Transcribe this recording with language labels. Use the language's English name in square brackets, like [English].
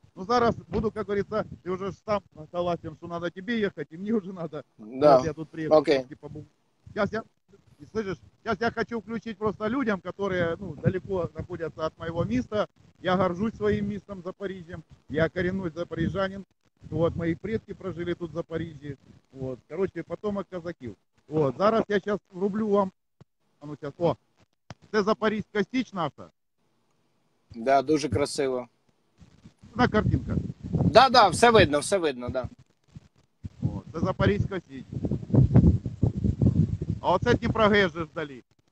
[Ukrainian] Ну зараз буду, як говориться, ти вже сам наголосив, що треба тобі їхати, і мені вже треба. Да. Я тут приїхав. Окей. Зараз я хочу включити просто людям, які, ну, далеко знаходяться від моєго міста. Я горжусь своїм містом Запоріжжям. Я корінний запоріжанин. [Russian] Вот, мои предки прожили тут в Запорожье. Вот, короче, потомок казаків. Вот, зараз я сейчас врублю вам. А ну сейчас. [Ukrainian] О, це Запорізька стіч наша. Да, дуже красиво. Да, картинка. [Russian] Да, да, все видно, да. [Ukrainian] Вот, це Запорізька стіч. А оце Дніпрогежі вдалі.